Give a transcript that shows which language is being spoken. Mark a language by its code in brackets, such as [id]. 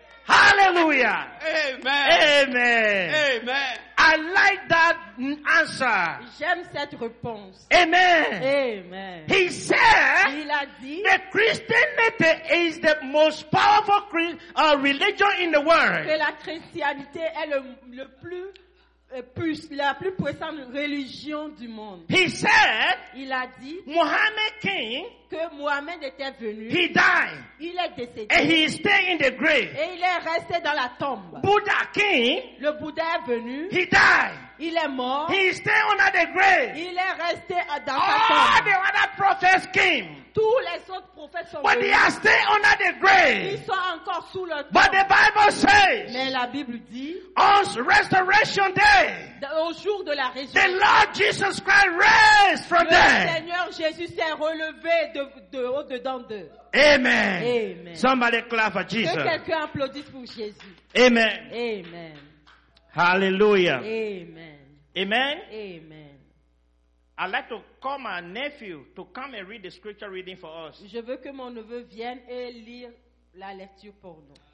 [en] Hallelujah. Amen. Amen. Amen. I like that answer. [fr] J'aime cette réponse. [en] Amen. Amen. He said, [fr] il a dit, [en] the Christianity is the most powerful religion in the world. [fr] Que la chrétienté est le plus la plus puissante religion du monde. [en] He said, [fr] il a dit, [en] Muhammad King, [fr] que Muhammad était venu. [en] He died. [fr] Il est décédé. [en] And he is staying in the grave. [fr] Et il est resté dans la tombe. [en] Buddha King, [fr] le Bouddha est venu. [en] He died. [fr] Il est mort. [en] He is staying under the grave. [fr] Il est resté dans la [en] All the other prophets came. [fr] Tous les autres prophètes sont [en] venus. But they are staying under the grave. [fr] Ils sont encore sous le tombe. [en] But the Bible says, [fr] mais la Bible dit, [en] on Resurrection Day, [fr] au jour de la résurrection, [en] the Lord Jesus Christ raised from there. [fr] Le Seigneur Jésus s'est relevé de haut dedans d'eux. [en] Amen. Amen. Somebody clap for Jesus. [fr] Que quelqu'un applaudisse pour Jésus. [en] Amen. Amen. Hallelujah. Amen. Amen. Amen. I'd like to call my nephew to come and read the scripture reading for us. [fr] Je veux que mon neveu vienne et lire la lecture pour nous.